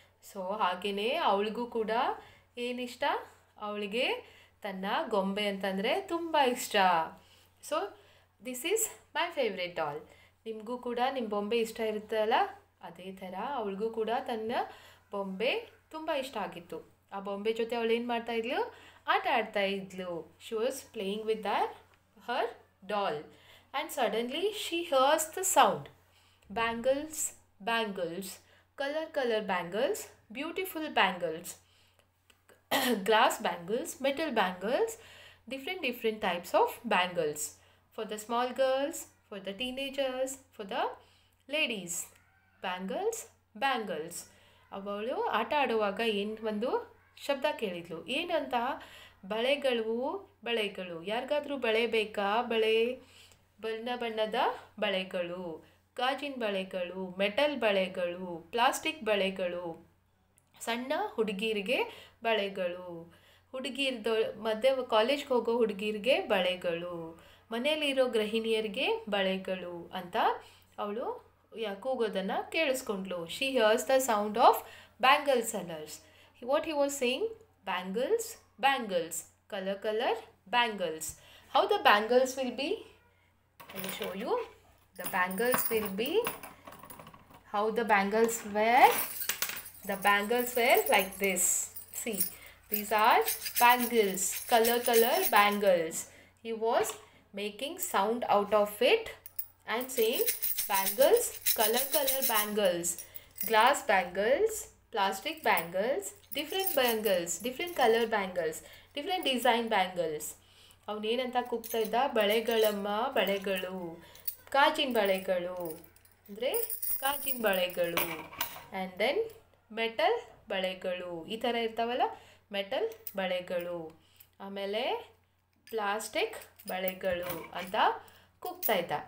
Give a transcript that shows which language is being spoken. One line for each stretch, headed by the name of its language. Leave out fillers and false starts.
Kannada: So ಹಾಗೆಯೇ ಅವಳಿಗೂ ಕೂಡ ಏನಿಷ್ಟ, ಅವಳಿಗೆ ತನ್ನ ಗೊಂಬೆ ಅಂತಂದರೆ ತುಂಬ ಇಷ್ಟ.
English: So this is my favourite doll.
Kannada: ನಿಮಗೂ ಕೂಡ ನಿಮ್ಮ ಬೊಂಬೆ ಇಷ್ಟ ಇರುತ್ತಲ್ಲ, ಅದೇ ಥರ ಅವಳಿಗೂ ಕೂಡ ತನ್ನ ಬೊಂಬೆ ತುಂಬ ಇಷ್ಟ ಆಗಿತ್ತು. ಆ ಬೊಂಬೆ ಜೊತೆ ಅವಳು ಏನು ಮಾಡ್ತಾಯಿದ್ಲು, ಆಟ ಆಡ್ತಾ ಇದ್ಲು.
English: She was playing with her doll. And suddenly she hears the sound. Bangles, bangles, color color bangles, beautiful bangles, glass bangles, metal bangles, different different types of bangles. For the small girls, for the teenagers, for the ladies. Bangles, bangles.
Kannada: ಅವಳು ಆಟ ಆಡುವಾಗ ಏನು ಒಂದು ಶಬ್ದ ಕೇಳಿದ್ಲು, ಏನಂತ, ಬಳೆಗಳು ಬಳೆಗಳು. ಯಾರಿಗಾದರೂ ಬಳೆ ಬೇಕಾ? ಬಳೆ, ಬಣ್ಣ ಬಣ್ಣದ ಬಳೆಗಳು, ಗಾಜಿನ ಬಳೆಗಳು, ಮೆಟಲ್ ಬಳೆಗಳು, ಪ್ಲಾಸ್ಟಿಕ್ ಬಳೆಗಳು, ಸಣ್ಣ ಹುಡುಗಿರಿಗೆ ಬಳೆಗಳು, ಹುಡುಗಿರ್ದ ಮಧ್ಯೆ ಕಾಲೇಜ್ಗೆ ಹೋಗೋ ಹುಡುಗಿರಿಗೆ ಬಳೆಗಳು, ಮನೆಯಲ್ಲಿರೋ ಗೃಹಿಣಿಯರಿಗೆ ಬಳೆಗಳು ಅಂತ ಅವಳು ಕೂಗೋದನ್ನು ಕೇಳಿಸ್ಕೊಂಡ್ಲು.
English: She hears the sound of bangle sellers. What he was saying, bangles, bangles, colour colour bangles. How the bangles will be, I'll show you. The bangles will be, how the bangles were. The bangles were like this. See, these are bangles, color color bangles. He was making sound out of it and saying bangles, color color bangles, glass bangles, plastic bangles, different bangles, different color bangles, different design bangles.
Kannada: ಅವನೇನಂತ ಕೂಗ್ತಾ ಇದ್ದ, ಬಳೆಗಳಮ್ಮ ಬಳೆಗಳು, ಗಾಜಿನ ಬಳೆಗಳು ಅಂದರೆ ಗಾಜಿನ ಬಳೆಗಳು,
English: and then
Kannada: metal ಬಳೆಗಳು, ಈ ಥರ ಇರ್ತಾವಲ್ಲ ಮೆಟಲ್ ಬಳೆಗಳು, ಆಮೇಲೆ ಪ್ಲಾಸ್ಟಿಕ್ ಬಳೆಗಳು ಅಂತ ಕೂಗ್ತಾ ಇದ್ದ.